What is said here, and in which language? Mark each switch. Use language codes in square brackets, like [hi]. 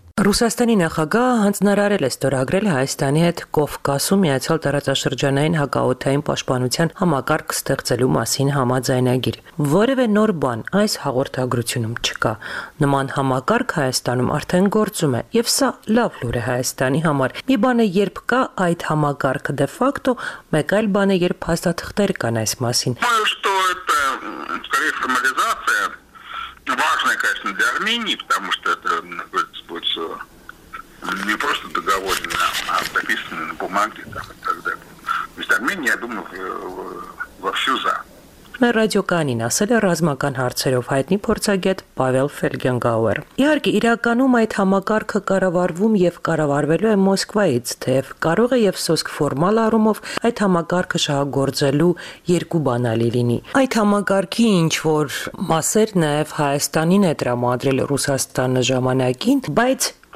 [hy] Ռուսաստանի նախագահը հանձնարարել է ստորագրել Հայաստանի հետ Կովկասում միացյալ տարածաշրջանային հակաօթային պաշտպանության համակարգ ստեղծելու մասին համաձայնագիր։ Որևէ նոր բան այս հաղորդագրությունում չկա։ Նման համակարգ Հայաստանում արդեն գործում է, և սա լավ լուր է Հայաստանի համար։ Մի բան է, երբ կա այդ համակարգը դե ֆակտո, մեկ այլ բան է, երբ հաստատիղթեր կան այս մասին։ [ru] Важная, конечно, для Армении, потому что это, как говорится, будет не просто договорено, а записано на бумаге там, и так далее. То есть Армения, я думаю, вовсю за. [hy] Մեր ռադիոկանին ասել է ռազմական հարցերով հայտնի փորձագետ Պավել Ֆելգենգաուեր։ Իհարկե, իրականում այդ համակարգը կառավարվում և կառավարվելու է Մոսկվայից, թեև կարող է և սոսկ ֆորմալ առումով այդ համակարգը շահագործելու երկու բանալի լինի։ Այդ համակարգի ինչ-որ մասեր նաև Հայաստանին է տրամադրել Ռուսաստանը ժամանակին, բայց